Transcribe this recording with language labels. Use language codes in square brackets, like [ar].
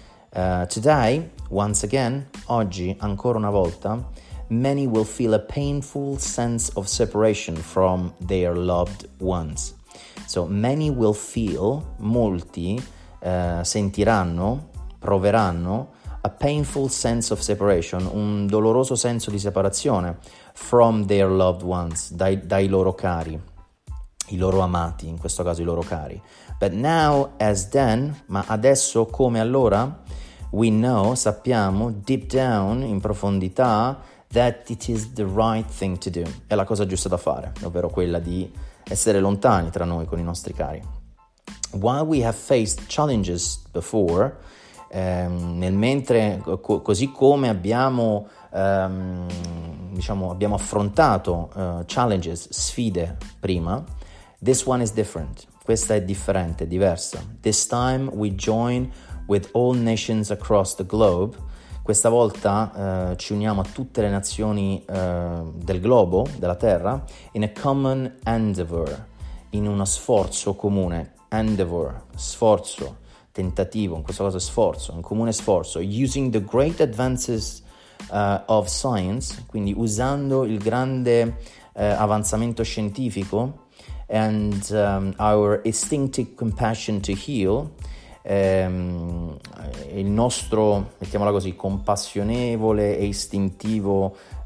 [en] Today, once again, [it] oggi ancora una volta, [en] many will feel a painful sense of separation from their loved ones. So many will feel, [it] molti sentiranno, proveranno, [en] a painful sense of separation, [it] un doloroso senso di separazione, [en] from their loved ones, [it] dai loro cari, i loro amati, in questo caso i loro cari. [en] But now, as then, [it] ma adesso come allora, [en] we know, [it] sappiamo, [en] deep down, [it] in profondità, [en] that it is the right thing to do. [it] È la cosa giusta da fare, ovvero quella di essere lontani tra noi con i nostri cari. [en] While we have faced challenges before, [it] così come abbiamo, abbiamo affrontato challenges, sfide prima, [en] this one is different. [it] Questa è differente, diversa. [en] This time we join with all nations across the globe. [it] Questa volta ci uniamo a tutte le nazioni del globo, della Terra, [en] in a common endeavor, [it] in uno sforzo comune. Endeavor, sforzo, tentativo, in questo caso sforzo, un comune sforzo. [en] Using the great advances of science, [it] quindi usando il grande avanzamento scientifico, [en] and our instinctive compassion to heal, [it] il nostro, mettiamola così, compassionevole e istintivo